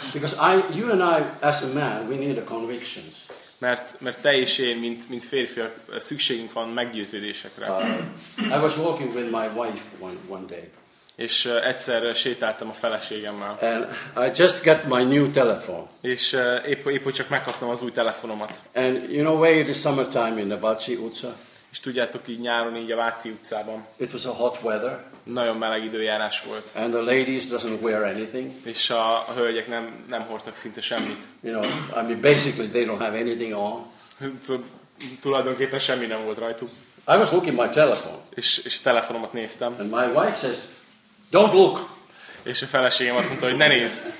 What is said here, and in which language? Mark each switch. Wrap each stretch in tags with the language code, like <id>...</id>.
<en>Because you and I, as a man, we need the convictions.</en> <hu>Mert te és én, mint férfiak, szükségünk van meggyőződésekre.</hu> <en>I was walking with my wife one day.</en> <hu>És egyszer sétáltam a feleségemmel.</hu> <en>And I just got my new telephone.</en> <hu>És épp csak megkaptam az új telefonomat.</hu> <en>And you know where it is summertime in the Váci utca?</en> <hu>És tudjátok, így nyáron, így a Váci utcában.</hu> <en>It was a hot weather.</en> <hu>Nagyon meleg időjárás volt.</hu> <en>And the ladies doesn't wear anything.</en> <hu>És a hölgyek nem hordtak szinte semmit.</hu> <en>You know, I mean basically they don't have anything on.</en> <hu>Tulajdonképpen semmi nem volt rajtuk.</hu> <en>I was looking my telephone.</en> <hu>És telefonomat néztem.</hu> <en>And my wife says, don't look.</en> <hu>És a feleségem azt mondta, hogy ne nézd.</hu>